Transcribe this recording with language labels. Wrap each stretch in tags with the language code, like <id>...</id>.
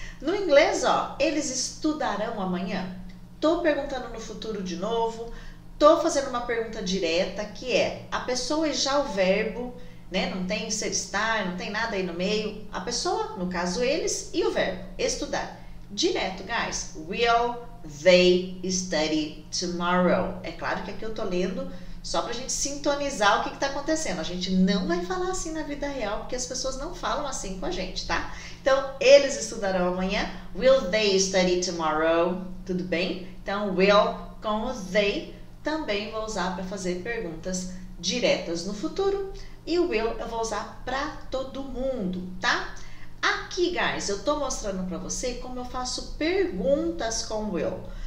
<pt>No inglês, ó, eles estudarão amanhã? Tô perguntando no futuro de novo. Tô fazendo uma pergunta direta, que é a pessoa e já o verbo. Né? Não tem ser estar, não tem nada aí no meio. A pessoa, no caso eles, e o verbo estudar. Direto, guys.</pt> <en>Will they study tomorrow?</en> <pt>É claro que aqui eu tô lendo só pra gente sintonizar o que que tá acontecendo. A gente não vai falar assim na vida real, porque as pessoas não falam assim com a gente, tá? Então, eles estudarão amanhã.</pt> <en>Will they study tomorrow?</en> <pt>Tudo bem? Então, will com o they também vou usar para fazer perguntas diretas no futuro. E o will eu vou usar para todo mundo, tá? Aqui, guys, eu tô mostrando para você como eu faço perguntas com o will.</pt>